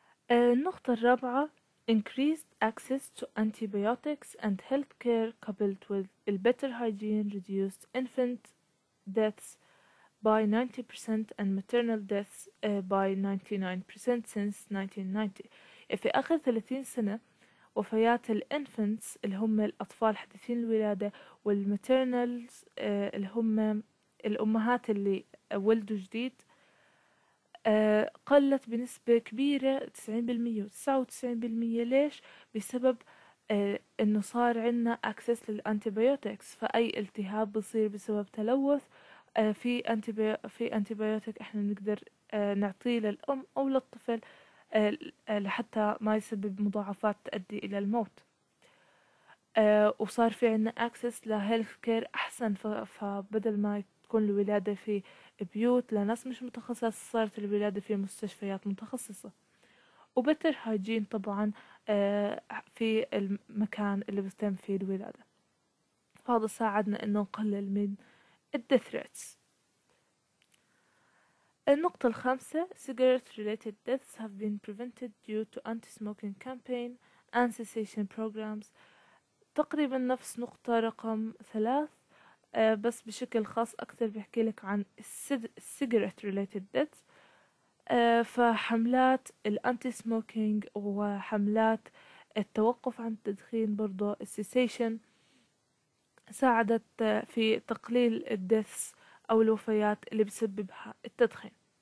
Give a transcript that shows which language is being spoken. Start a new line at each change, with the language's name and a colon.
Arabic: النقطة الرابعة
English: increased access to antibiotics and healthcare coupled with better hygiene reduced infant deaths by 90% and maternal deaths by 99% since 1990.
Arabic: في آخر 30 سنة وفيات ال infants اللي هم الأطفال حديثين الولادة والmaternals اللي هم الأمهات اللي ولدوا جديد قلت بنسبة كبيرة 90% و99%. ليش؟ بسبب انه صار عندنا access للانتيبيوتكس، فأي التهاب بصير بسبب تلوث في انتيبيوتك احنا نقدر نعطيه للأم أو للطفل لحتى ما يسبب مضاعفات تؤدي إلى الموت، وصار في عندنا access لهيلثكير أحسن، فبدل ما تكون الولادة في بيوت لناس مش متخصصة صارت الولادة في مستشفيات متخصصة، وبتر هايجين طبعا في المكان اللي بتتم فيه الولادة، فهذا ساعدنا انه نقلل من الديث ريتس. النقطة الخامسة
English: cigarette related deaths have been prevented due to anti-smoking campaign and cessation programs.
Arabic: تقريبا نفس نقطة رقم ثلاث بس بشكل خاص أكثر بحكي لك عن السيجرت ريليتد ديث، فحملات الأنتي سموكينج وحملات التوقف عن التدخين برضو السيسيشن ساعدت في تقليل الديثس أو الوفيات اللي بسببها التدخين.